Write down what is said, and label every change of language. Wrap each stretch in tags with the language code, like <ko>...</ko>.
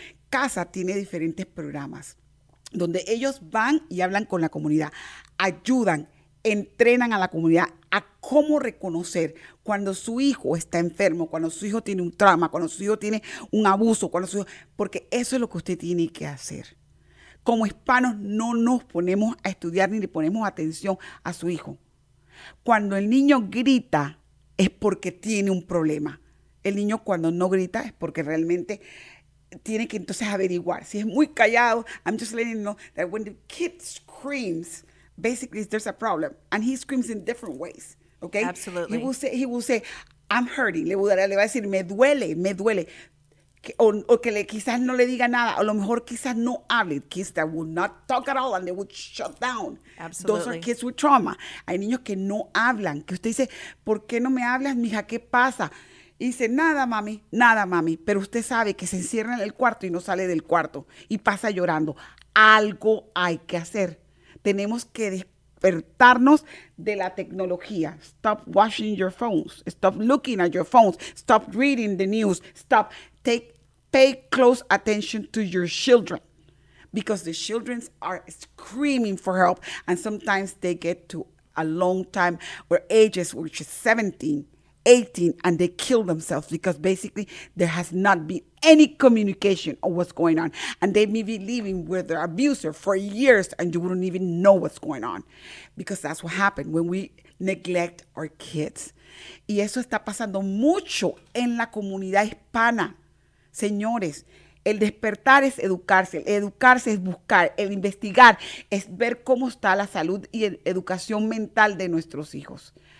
<es>CASA tiene diferentes programas donde ellos van y hablan con la comunidad, ayudan, entrenan a la comunidad a cómo reconocer cuando su hijo está enfermo, cuando su hijo tiene un trauma, cuando su hijo tiene un abuso, porque eso es lo que usted tiene que hacer. Como hispanos no nos ponemos a estudiar ni le ponemos atención a su hijo. Cuando el niño grita es porque tiene un problema. El niño cuando no grita es porque realmente tiene que entonces averiguar. Si es muy callado,</es> <en>I'm just letting you know that when the kid screams, basically there's a problem. And he screams in different ways, okay? Absolutely. He will say, I'm hurting.</en> <es>Le va a decir, me duele. O que quizás no le diga nada. O lo mejor quizás no hable.</es> <en>Kids that will not talk at all and they will shut down. Absolutely. Those are kids with trauma.</en> <es>Hay niños que no hablan. Que usted dice, ¿por qué no me hablas, mija? ¿Qué pasa? Y dice, nada, mami. Pero usted sabe que se encierra en el cuarto y no sale del cuarto. Y pasa llorando. Algo hay que hacer. Tenemos que despertarnos de la tecnología.</es> <en>Stop watching your phones. Stop looking at your phones. Stop reading the news. Stop. Pay close attention to your children. Because the children are screaming for help. And sometimes they get to a long time or ages, which is 17. 18, and they kill themselves because basically there has not been any communication of what's going on. And they may be living with their abuser for years and you wouldn't even know what's going on. Because that's what happened when we neglect our kids.</en> <es>Y eso está pasando mucho en la comunidad hispana. Señores, El despertar es educarse, el educarse es buscar, el investigar es ver cómo está la salud y educación mental de nuestros hijos.</es>